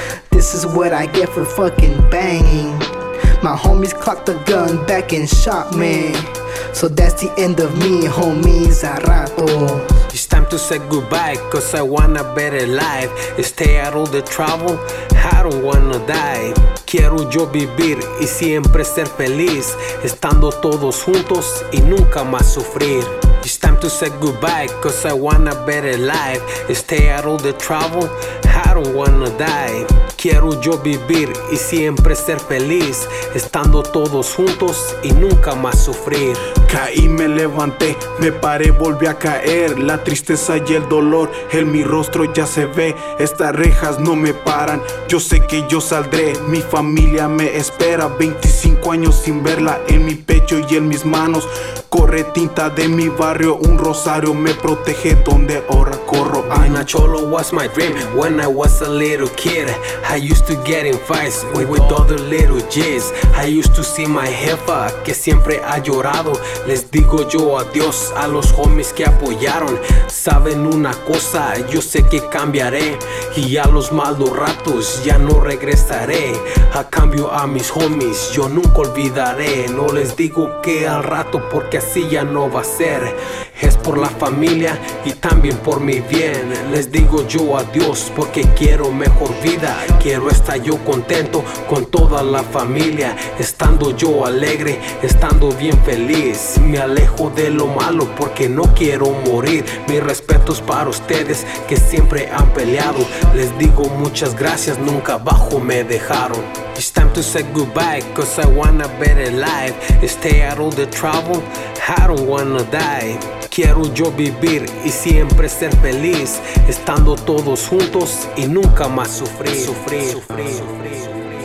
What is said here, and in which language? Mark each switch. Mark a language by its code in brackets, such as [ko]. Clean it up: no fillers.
[en] This is what I get for fucking banging. My homies clocked the gun back and shot me. So that's the end of me, homies, [es] a rato. [en] It's time to say goodbye, cause I want a better life. Stay out of the trouble, I don't wanna die. [es] Quiero yo vivir y siempre ser feliz, estando todos juntos y nunca más sufrir. [en] It's time to say goodbye, cause I want a better life. Stay out of the trouble, I don't wanna die. [es] Quiero yo vivir y siempre ser feliz, estando todos juntos y nunca más sufrir. Caí, me levanté, me paré, volví a caer. La tristeza y el dolor en mi rostro ya se ve. Estas rejas no me paran, yo sé que yo saldré. Mi familia me espera, 25 años sin verla. En mi pecho y en mis manos corre tinta de mi barrio. Un rosario me protege donde ahora corro. [en] Being a cholo was my dream when I was a little kid. I used to get in fights with all the little G's. I used to see my jefa [es] que siempre ha llorado. Les digo yo adiós a los homies que apoyaron. Saben una cosa, yo sé que cambiaré. Y a los malos ratos ya no regresaré. A cambio a mis homies yo nunca olvidaré. No les digo que al rato porque así ya no va a ser. Es por la familia y también por mi bien. Les digo yo adiós porque quiero mejor vida. Quiero estar yo contento con toda la familia. Estando yo alegre, estando bien feliz. Me alejo de lo malo porque no quiero morir. Mis respetos para ustedes que siempre han peleado. Les digo muchas gracias, nunca abajo me dejaron. [en] It's time to say goodbye, cause I want a better life. Stay out of the trouble, I don't wanna die. [es] Quiero yo vivir y siempre ser feliz, estando todos juntos y nunca más sufrir.